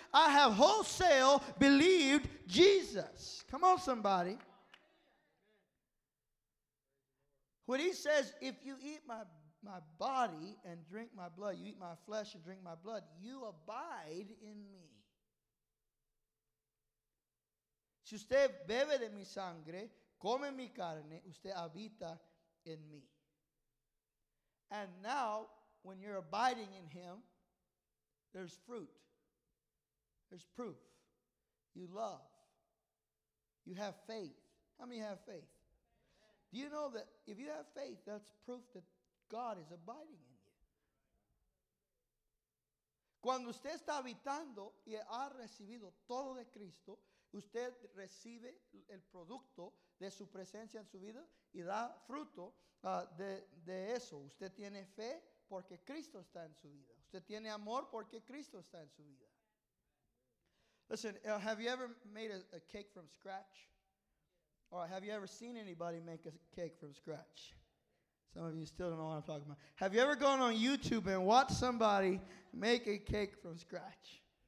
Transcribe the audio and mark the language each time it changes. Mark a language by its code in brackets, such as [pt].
[en] I have wholesale believed Jesus. Come on, somebody. When he says, if you eat my body and drink my blood, you eat my flesh and drink my blood, you abide in me. [es] Si usted bebe de mi sangre, come mi carne, usted habita en mí. [en] And now, when you're abiding in him, there's fruit. There's proof. You love. You have faith. How many have faith? Do you know that if you have faith, that's proof that God is abiding in you? [es] Cuando usted está habitando y ha recibido todo de Cristo, usted recibe el producto de su presencia en su vida y da fruto de eso. Usted tiene fe porque Cristo está en su vida. Usted tiene amor porque Cristo está en su vida. [en] Listen, have you ever made a cake from scratch? Or have you ever seen anybody make a cake from scratch? Some of you still don't know what I'm talking about. Have you ever gone on YouTube and watched somebody make a cake from scratch?